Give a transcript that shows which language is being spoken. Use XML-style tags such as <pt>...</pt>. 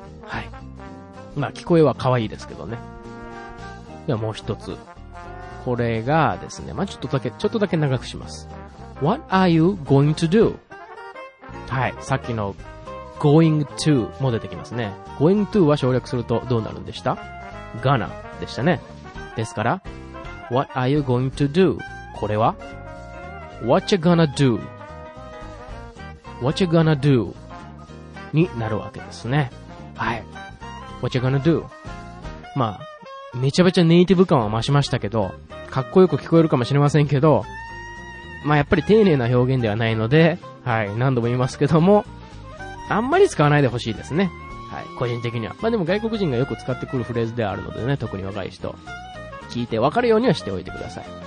<ja>はい、まあ聞こえは可愛いですけどね。ではもう一つ、これがですね、まあちょっとだけ長くします。</ja> <en>What are you going to do?</en> <ja>はい、さっきの going to も出てきますね。 going to は省略するとどうなるんでした？ gonna でしたね。ですから</ja> <en>What are you going to do?</en> <ja>これは</ja> <en>What you gonna do? What you gonna do? になるわけですね。はい、 What you gonna do?</en> <ja>まあめちゃめちゃネイティブ感は増しましたけど、かっこよく聞こえるかもしれませんけど、まあやっぱり丁寧な表現ではないので、はい、何度も言いますけども、あんまり使わないでほしいですね。はい、個人的には。まあでも外国人がよく使ってくるフレーズではあるのでね、特に若い人、聞いて分かるようにはしておいてください。</ja>